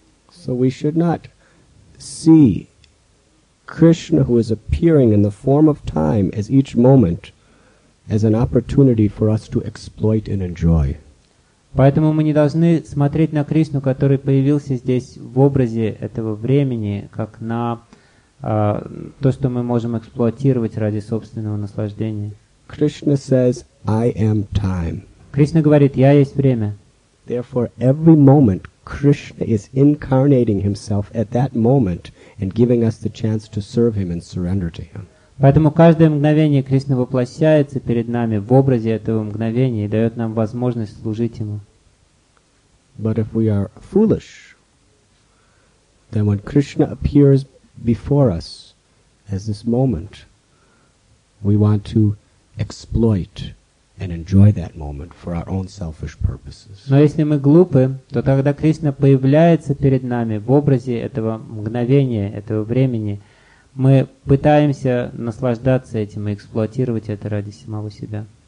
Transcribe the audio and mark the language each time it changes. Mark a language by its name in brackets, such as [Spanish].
[English] So we should not see Krishna, who is appearing in the form of time, as each moment, as an opportunity for us to exploit and enjoy. [Russian] Поэтому мы не должны смотреть на Кришну, который появился здесь в образе этого времени, как на то, что мы можем эксплуатировать ради собственного наслаждения. [English] Krishna says, "I am time." [Russian] Кришна говорит, я есть время. [English] Therefore, every moment Krishna is incarnating himself at that moment and giving us the chance to serve him and surrender to him. [Russian] Поэтому каждое мгновение Кришна воплощается перед нами в образе этого мгновения и дает нам возможность служить ему. [English] But if we are foolish, then when Krishna appears before us as this moment, we want to exploit and enjoy that moment for our own selfish purposes. [Russian] Но если мы глупы, то тогда Кришна появляется перед нами в образе этого мгновения, этого времени, мы пытаемся наслаждаться этим и эксплуатировать это ради самого себя.